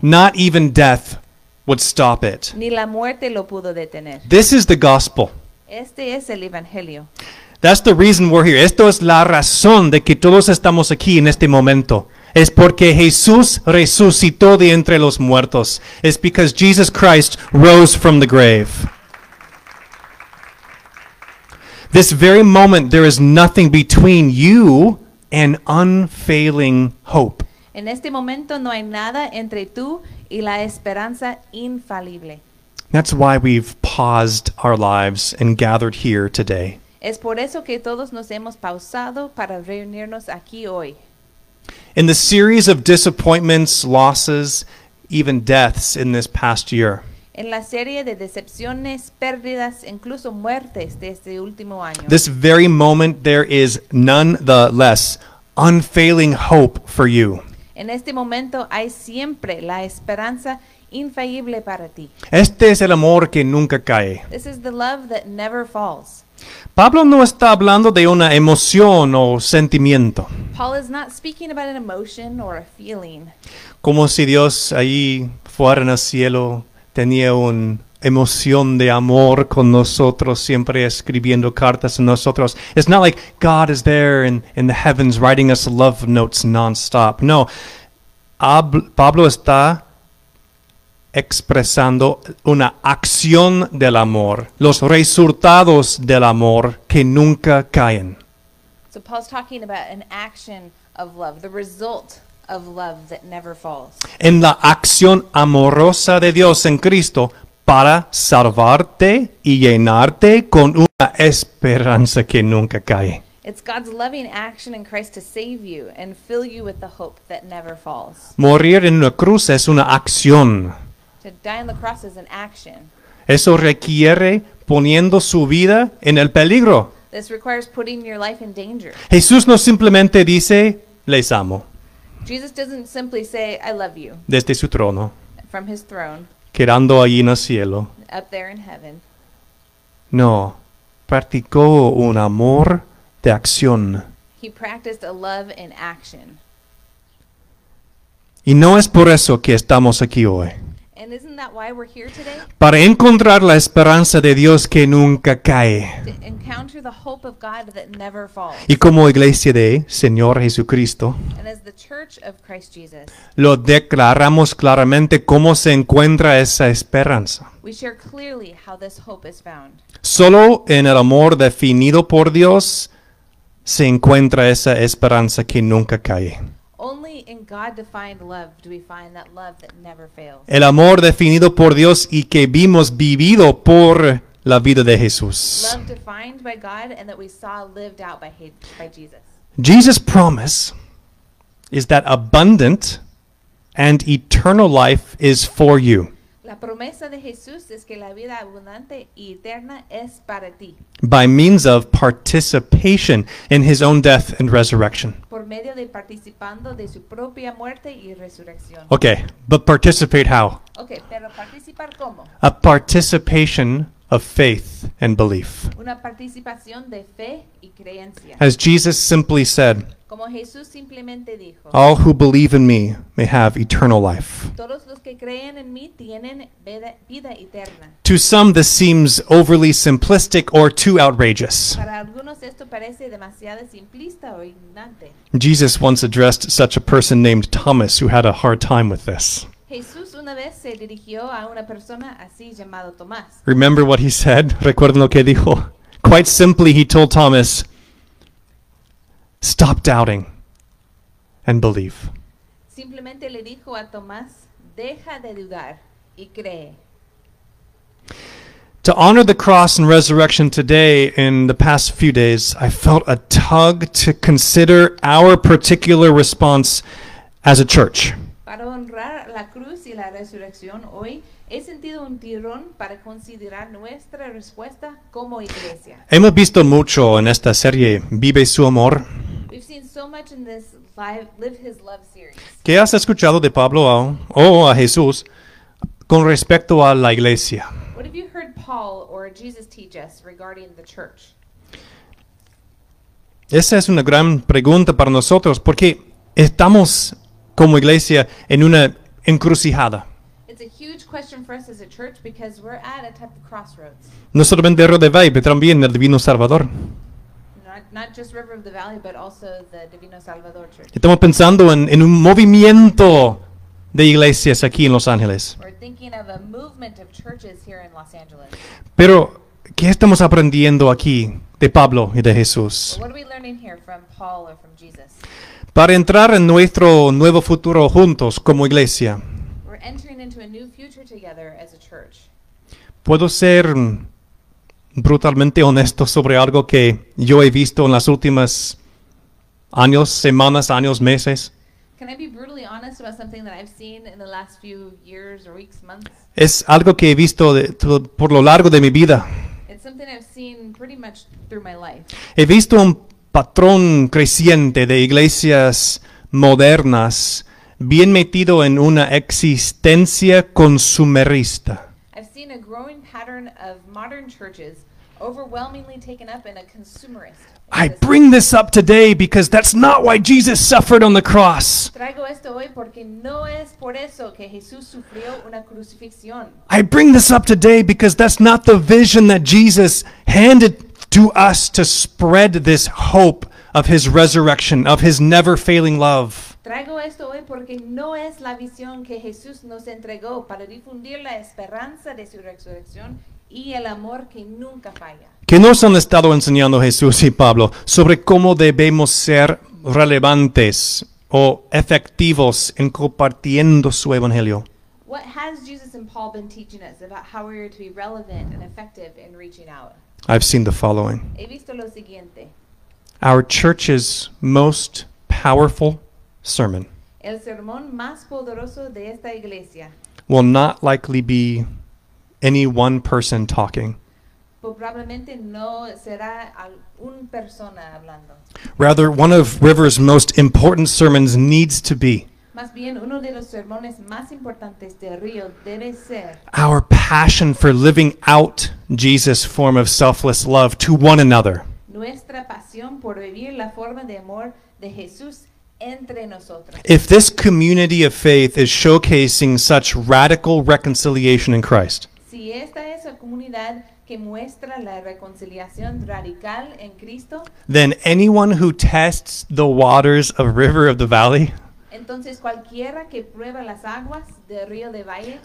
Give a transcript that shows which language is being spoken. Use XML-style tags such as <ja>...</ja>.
<en>Not even death would stop it.</en> <es>Ni la muerte lo pudo detener.</es> <en>This is the gospel.</en> <es>Este es el evangelio.</es> <en>That's the reason we're here.</en> <es>Esto es la razón de que todos estamos aquí en este momento. Es porque Jesús resucitó de entre los muertos.</es> <en>It's because Jesus Christ rose from the grave. This very moment, there is nothing between you and unfailing hope.</en> <es>En este momento, no hay nada entre tú y la esperanza infalible.</es> <en>That's why we've paused our lives and gathered here today.</en> <es>Es por eso que todos nos hemos pausado para reunirnos aquí hoy.</es> <en>In the series of disappointments, losses, even deaths in this past year,</en> <es>en la serie de decepciones, pérdidas, incluso muertes de este último año.</es> <en>This very moment there is nonetheless unfailing hope for you.</en> <es>En este momento hay siempre la esperanza infalible para ti. Este es el amor que nunca cae.</es> <en>This is the love that never falls.</en> <es>Pablo no está hablando de una emoción o sentimiento.</es> <en>Paul is not speaking about an emotion or a feeling.</en> <es>Como si Dios ahí fuera en el cielo tenía una emoción de amor con nosotros, siempre escribiendo cartas a nosotros.</es> <en>It's not like God is there in the heavens writing us love notes nonstop.</en> <es>No, Pablo está expresando una acción del amor, los resultados del amor que nunca caen.</es> <en>So Paul's talking about an action of love, the result of love that never falls.</en> <es>En la acción amorosa de Dios en Cristo para salvarte y llenarte con una esperanza que nunca cae.</es> <en>It's God's loving action in Christ to save you and fill you with the hope that never falls.</en> <es>Morir en una cruz es una acción.</es> <en>To die on the cross is an action.</en> <es>Eso requiere poniendo su vida en el peligro.</es> <en>This requires putting your life in danger.</en> <es>Jesús no simplemente dice, les amo.</es> <en>Jesus doesn't simply say, I love you.</en> <es>Desde su trono.</es> <en>From his throne.</en> <es>Quedando allí en el cielo.</es> <en>Up there in heaven.</en> <es>No. Practicó un amor de acción.</es> <en>He practiced a love in action.</en> <es>Y no es por eso que estamos aquí hoy.</es> <en>And isn't that why we're here today?</en> <es>Para encontrar la esperanza de Dios que nunca cae.</es> <en>To encounter the hope of God that never falls.</en> <es>Y como iglesia de Señor Jesucristo,</es> <en>and as the church of Christ Jesus,</en> <es>lo declaramos claramente cómo se encuentra esa esperanza.</es> <en>We share clearly how this hope is found.</en> <es>Solo en el amor definido por Dios se encuentra esa esperanza que nunca cae.</es> <en>Only in God-defined love do we find that love that never fails.</en> <es>El amor definido por Dios y que vimos vivido por la vida de Jesús.</es> <en>Love defined by God and that we saw lived out by Jesus. Jesus' promise is that abundant and eternal life is for you.</en> <es>La promesa de Jesús es que la vida abundante y eterna es para ti.</es> <en>By means of participation in his own death and resurrection.</en> <es>Por medio de participando de su propia muerte y resurrección.</es> <en>Okay, but participate how?</en> <es>Okay, pero participar cómo?</es> <en>A participation of faith and belief.</en> <es>Una participación de fe y creencia.</es> <en>As Jesus simply said,</en> <es>como Jesús simplemente dijo,</es> <en>all who believe in me may have eternal life.</en> <es>Todos los que creen en mí tienen vida eterna.</es> <en>To some, this seems overly simplistic or too outrageous.</en> <es>Para algunos esto parece demasiado simplista o ignorante.</es> <en>Jesus once addressed such a person named Thomas who had a hard time with this.</en> <es>Jesús una vez se dirigió a una persona así llamado Tomás.</es> <en>Remember what he said?</en> <es>Recuerden lo que dijo.</es> <en>Quite simply, he told Thomas, stop doubting and believe.</en> <es>Simplemente le dijo a Tomás, deja de dudar y cree.</es> <en>To honor the cross and resurrection today, in the past few days, I felt a tug to consider our particular response as a church.</en> <es>Para honrar la cruz y la resurrección hoy, he sentido un tirón para considerar nuestra respuesta como iglesia. Hemos visto mucho en esta serie, Vive su amor.</es> <en>We've seen so much in this Live His Love series.</en> <es>¿Qué has escuchado de Pablo a Jesús con respecto a la iglesia?</es> <en>What have you heard Paul or Jesus teach us regarding the church?</en> <es>Esa es una gran pregunta para nosotros porque estamos como iglesia en una encrucijada.</es> <en>It's a huge question for us as a church because we're at a type of crossroads.</en> <es>No solamente el río de Valle, pero también el divino Salvador.</es> <en>Not just River of the Valley, but also the Divino Salvador Church.</en> <es>Estamos pensando en un movimiento de iglesias aquí en Los Ángeles.</es> <en>We're thinking of a movement of churches here in Los Angeles.</en> <es>Pero, ¿qué estamos aprendiendo aquí de Pablo y de Jesús?</es> <en>What are we learning here from Paul or from Jesus?</en> <es>Para entrar en nuestro nuevo futuro juntos como iglesia.</es> <en>We're entering into a new future together as a church.</en> <es>Puedo ser brutalmente honesto sobre algo que yo he visto en las últimas años, semanas, años, meses.</es> <en>Can I be brutally honest about something that I've seen in the last few years or weeks, months?</en> <es>Es algo que he visto por lo largo de mi vida.</es> <en>It's something I've seen pretty much through my life.</en> <es>He visto un patrón creciente de iglesias modernas bien metido en una existencia consumerista.</es> <en>I've seen a growing pattern of modern churches overwhelmingly taken up in a consumerist. I bring this up today because that's not why Jesus suffered on the cross.</en> <es>Traigo esto hoy porque no es por eso que Jesús sufrió una crucifixión.</es> <en>I bring this up today because that's not the vision that Jesus handed to us to spread this hope of his resurrection, of his never-failing love.</en> <es>Traigo esto hoy porque no es la visión que Jesús nos entregó para difundir la esperanza de su resurrección y el amor que nunca falla. ¿Qué nos han estado enseñando Jesús y Pablo sobre cómo debemos ser relevantes o efectivos en compartiendo su evangelio?</es> <en>What has Jesus and Paul been teaching us about how we are to be relevant and effective in reaching out? I've seen the following.</en> <es>He visto lo siguiente.</es> <en>Our church's most powerful sermon.</en> <es>El sermón más poderoso de esta iglesia.</es> <en>Will not likely be any one person talking.</en> <es>Probablemente no será una persona hablando.</es> <en>Rather, one of River's most important sermons needs to be.</en> <es>Más bien, uno de los sermones más importantes de Río debe ser.</es> <en>Our passion for living out Jesus' form of selfless love to one another.</en> <es>Nuestra pasión por vivir la forma de amor de Jesús entre nosotros.</es> <en>If this community of faith is showcasing such radical reconciliation in Christ.</en> <es>Si esta es la comunidad que muestra la reconciliación radical en Cristo.</es> <en>Then anyone who tests the waters of River of the Valley.</en> <es>Entonces cualquiera que prueba las aguas de Río de Valle.</es>